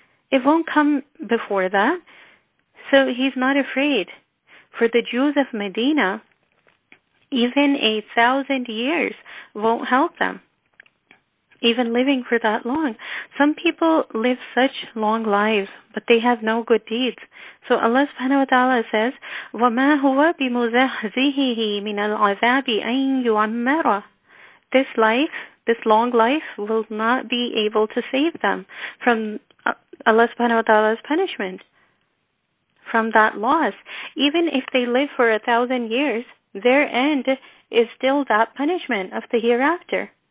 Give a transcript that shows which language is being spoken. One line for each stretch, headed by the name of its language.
English: It won't come before that. So he's not afraid. For the Jews of Medina, even 1,000 years won't help them. Even living for that long. Some people live such long lives, but they have no good deeds. So Allah subhanahu wa ta'ala says,
Arabic: وَمَا هُوَ بِمُزَحْزِهِهِ مِنَ الْعَذَابِ أَنْ يُعَمَّرَ.
English: This life, this long life, will not be able to save them from Allah subhanahu wa ta'ala's punishment, from that loss. Even if they live for 1,000 years, their end is still that punishment of the hereafter.